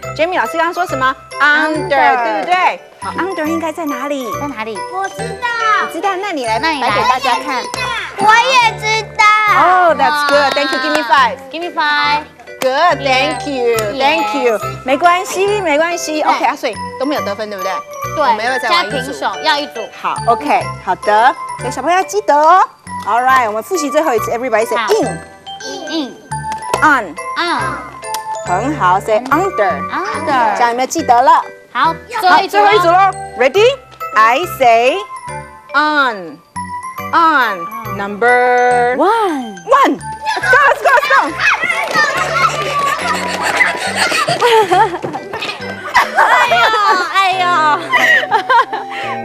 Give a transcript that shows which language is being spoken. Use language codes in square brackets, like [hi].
[zh] Jamie 老师刚刚说什么 ？Under， 对不对？好 ，Under 应该在哪里？在哪里？我知道，你知道，那你来，那你来给大家看。我也知道。 [en] Oh， that's good， thank you， give me five， give me five， good， thank you， thank you， [zh] 没关系，没关系。 OK， 阿穗都没有得分，对不对？对，我们要再玩一组，加平手，要一组。好 ，OK， 好的，所以小朋友要记得哦。 [en] All right， [zh] 我们复习最后一次 [en] ，Everybody say in， in， on， on。 [zh] 很好 [en] ，say under under， [zh] 这样有没有记得了？好，最后一组，最后一组喽 ，ready？ [en] I say on on number one one， let's go let's go let's go，哎呦哎呦，